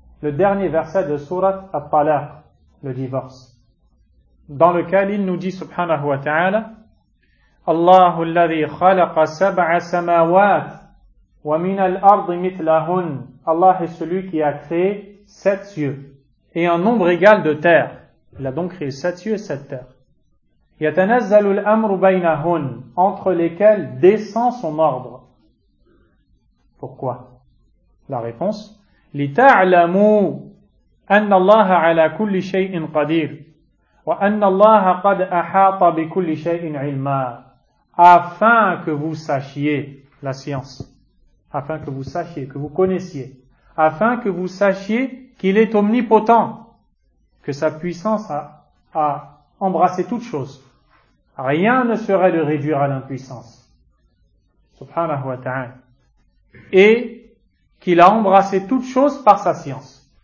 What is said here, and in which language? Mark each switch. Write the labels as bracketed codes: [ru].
[fr] Le dernier verset de surat At-Talaq, le divorce, dans lequel il nous dit, subhanahu wa ta'ala, [ar] الله الذي خلق سبع سماوات ومن الأرض مثلهن. [fr] Allah est celui qui a créé sept cieux et un nombre égal de terres. Il a donc créé sept cieux et sept terres. [ar] يتنزل الأمر بينهن, [fr] entre lesquels descend son ordre. Pourquoi? La réponse: [ar] لتعلموا أن الله على كل شيء قدير وأن الله قد أحاط بكل شيء علما. [fr] Afin que vous sachiez la science, afin que vous sachiez, que vous connaissiez, afin que vous sachiez qu'il est omnipotent, que sa puissance a embrassé toute chose. Rien ne serait de réduire à l'impuissance, subhanahu wa ta'ala, et qu'il a embrassé toute chose par sa science.